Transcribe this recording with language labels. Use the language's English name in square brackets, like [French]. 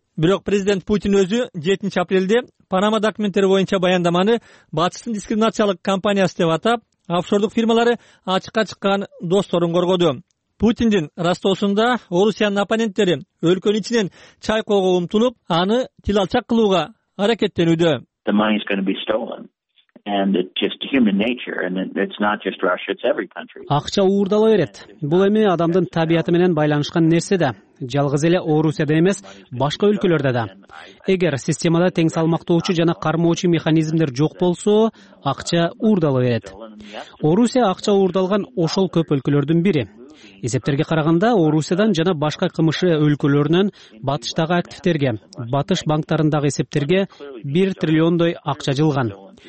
[Kyrgyz] Бирок президент Путин өзү 7 апрелде Панама документтери боюнча баяндаманы батыстын дискриминациялык компаниясы деп атап, офшордук фирмалары ачыкка чыккан досторун коргоду. Путиндин Ростовунда Орусиянын оппоненттери өлкөнүн ичинен чай колго умтулуп, аны тил алчак кылууга аракеттенүүдө. [English] The money is going to be stolen. And it's just human nature, and it's not just Russia, it's every country. [Kyrgyz] Акча уурдала берет. Бул эми адамдын табияты менен байланышкан нерсе да. Жалгыз эле Орусияда эмес, башка өлкөлөрдө да. Эгер системада тең салмактоочу жана кармоочу механизмдер жок болсо, акча уурдала берет. Орусия акча уурдалган ошол көп өлкөлөрдүн бири. Эсептерге караганда Орусиядан жана башка КМШ өлкөлөрүнөн батыштагы активтерге, батыш банктарындагы эсептерге 1 триллиондой акча жылган.